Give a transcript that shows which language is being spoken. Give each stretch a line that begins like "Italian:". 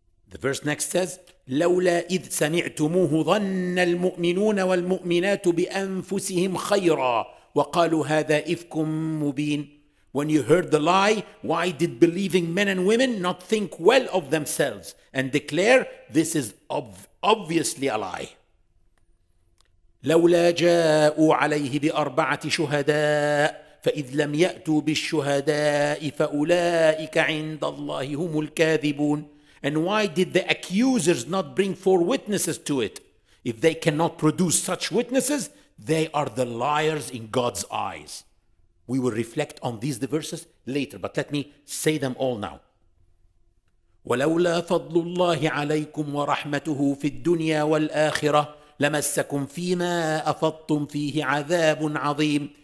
English: The verse next says,
Arabic: لولا إذ سمعتموه ظن المؤمنون والمؤمنات بأنفسهم خيرا وقالوا هذا إفك مبين.
English: When you heard the lie, why did believing men and women not think well of themselves and declare, this is obviously a lie?
Arabic: لولا جاءوا عليه بأربعة شهداء فإذ لم يأتوا بالشهداء فأولئك عند الله هم الكاذبون.
English: And why did the accusers not bring four witnesses to it? If they cannot produce such witnesses, they are the liars in God's eyes. We will reflect on these verses later, but let me say them all now.
Arabic: وَلَوْلَا فَضْلُ اللَّهِ عَلَيْكُمْ وَرَحْمَتُهُ فِي الدُّنْيَا وَالْآخِرَةِ لَمَسَّكُمْ فِي مَا أَفَضْتُمْ فِيهِ عَذَابٌ عَظِيمٌ.